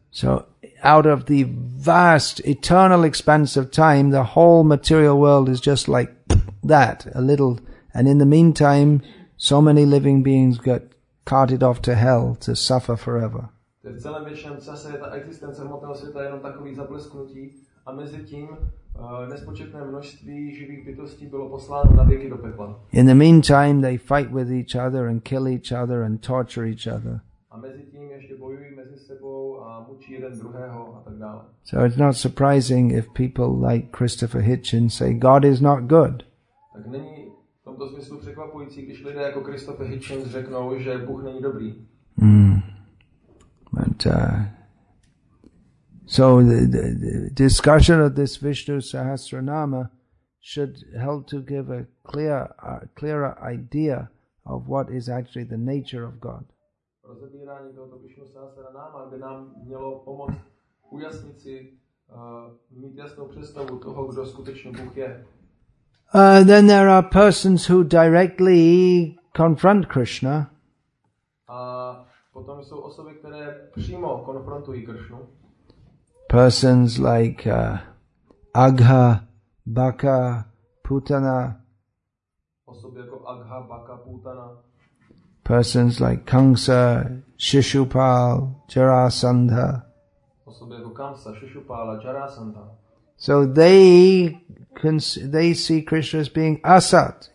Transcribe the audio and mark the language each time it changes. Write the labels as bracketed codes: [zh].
[en] So out of the vast eternal expanse of time, the whole material world is just like that, a little. And in the meantime, so many living beings get carted off to hell to suffer forever. [cs] V celém věčném čase je ta existence hmotného světa jenom takový zaplesknutí a mezi tím nespočetné množství živých bytostí bylo posláno na věky do pekla. [en] In the meantime, they fight with each other and kill each other and torture each other. [cs] A mezi tím ještě bojují mezi sebou a mučí jeden druhého a tak dále. [en] So it's not surprising if people like Christopher Hitchens say God is not good. [cs] Tak není v tomto smyslu překvapující, když lidé jako Christopher Hitchens řeknou, že Bůh není dobrý. [en] So the discussion of this Vishnu Sahasranama should help to give a clearer idea of what is actually the nature of God. [cs] Rozebírání tohoto Vishnu Sahasranama by nám mělo pomoct ujasnit si, mít jasnou představu toho, kdo skutečně Bůh je. [en] Then there are persons who directly confront Krishna. [cs] A potom jsou osoby, které přímo konfrontují Krishnu. [en] Persons like Agha, Baka, Putana. [cs] Osoby jako Agha, Baka, Putana. [en] Persons like Kamsa, Shishupal, Jarasandha. [cs] Osoby jako Kamsa, Shishupala, Jarasandha. [en] So they see Krishna as being Asat.